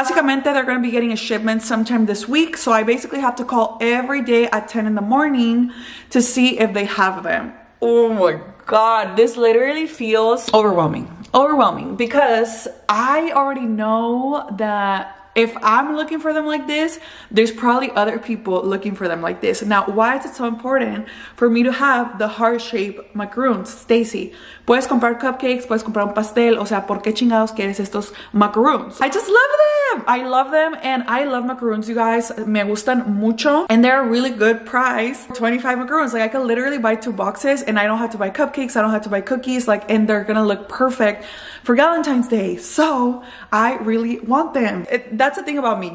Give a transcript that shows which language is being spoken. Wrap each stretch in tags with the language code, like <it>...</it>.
<en>Basicamente, they're gonna be getting a shipment sometime this week. So I basically have to call every day at 10 in the morning to see if they have them. Oh my God, this literally feels overwhelming. Overwhelming because I already know that if I'm looking for them like this, there's probably other people looking for them like this. Now, why is it so important for me to have the heart-shaped macaroons?</en> <es>Stacey, puedes comprar cupcakes, puedes comprar un pastel, o sea, ¿por qué chingados quieres estos macaroons?</es> <en>I just love them! I love them, and I love macaroons, you guys.</en> <es>Me gustan mucho,</es> <en>and they're a really good price. 25 macaroons, like, I could literally buy 2 boxes, and I don't have to buy cupcakes, I don't have to buy cookies, like, and they're gonna look perfect for Valentine's Day. So, I really want them. That's the thing about me.</en>